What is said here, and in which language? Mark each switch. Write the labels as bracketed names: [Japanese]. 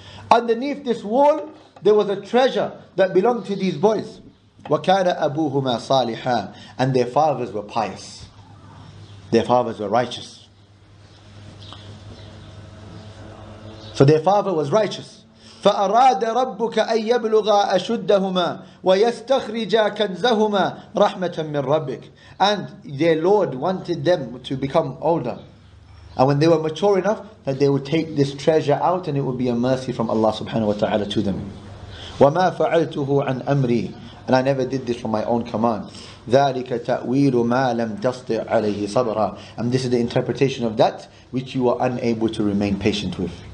[English] Underneath this wall, there was a treasure that belonged to these boys. [Arabic] وَكَانَ أَبُوهُمَا صَالِحًا [English] And their fathers were pious. Their fathers were righteous. So their father was righteous. [Arabic] فَأَرَادَ رَبُّكَ أَن يَبْلُغَا أَشُدَّهُمَا وَيَسْتَخْرِجَا كَنْزَهُمَا رَحْمَةً مِّن رَبِّكَ [English] And their Lord wanted them to become older. And when they were mature enough, that they would take this treasure out and it would be a mercy from Allah subhanahu wa ta'ala to them. [Arabic] وَمَا فَعَلْتُهُ عَنْ أَمْرِي [English] And I never did this from my own command. [Arabic] ذَلِكَ تَأْوِيلُ مَا لَمْ تَسْطِعْ عَلَيْهِ صَبْرًا [English] And this is the interpretation of that which you are unable to remain patient with.